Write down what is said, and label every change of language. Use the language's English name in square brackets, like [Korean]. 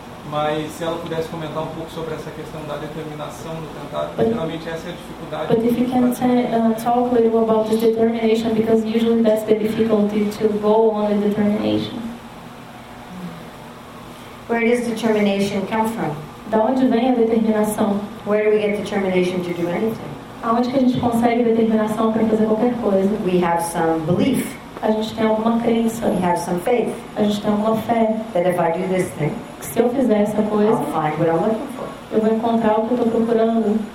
[Portuguese] Mas se ela pudesse comentar um pouco sobre essa questão da determinação no cantado, [English] but, [Portuguese] geralmente essa é a dificuldade. [English] But if you can talk a little about the determination, because usually that's the difficulty to go on the determination. Where does determination come from? [Portuguese] Da onde vem a determinação? [English] Where do we get determination to do anything? [Portuguese] Aonde que a gente consegue determinação para fazer qualquer coisa? [English] We have some belief. [Portuguese] A gente tem alguma crença. [English] We have some faith. [Portuguese] A gente tem alguma fé. [English] That if I do this thing, [Portuguese] que se eu fizer essa coisa, [English] I'll find what I'm looking for. [Portuguese] Eu vou encontrar o que eu estou procurando.